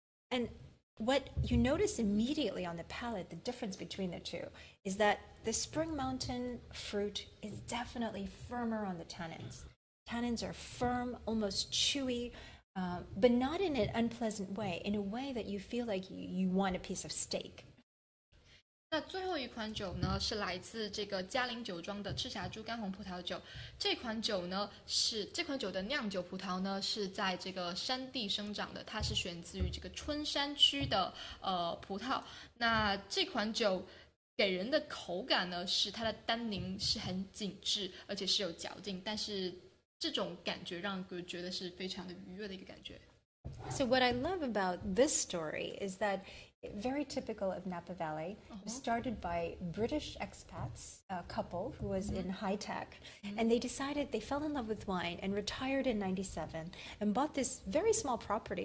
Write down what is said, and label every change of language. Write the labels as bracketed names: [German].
[English] And what you notice immediately on the palate, the difference between the two, is that the Spring Mountain fruit is definitely firmer on the tannins. Tannins are firm, almost chewy, but not in an unpleasant way, in a way that you feel like you want a piece of steak. [Chinese] 那最后一款酒呢，是来自这个嘉陵酒庄的赤霞珠干红葡萄酒。这款酒的酿酒葡萄呢，是在这个山地生长的，它是选自于这个春山区的葡萄。那这款酒给人的口感呢，是它的单宁是很紧致，而且是有嚼劲，但是这种感觉让人觉得是非常的愉悦的一个感觉。 [English] So what I love about this story is that. Very typical of Napa Valley. It was started by British expats, a couple who was in high tech. And they decided, they fell in love with wine and retired in 97 and bought this very small property.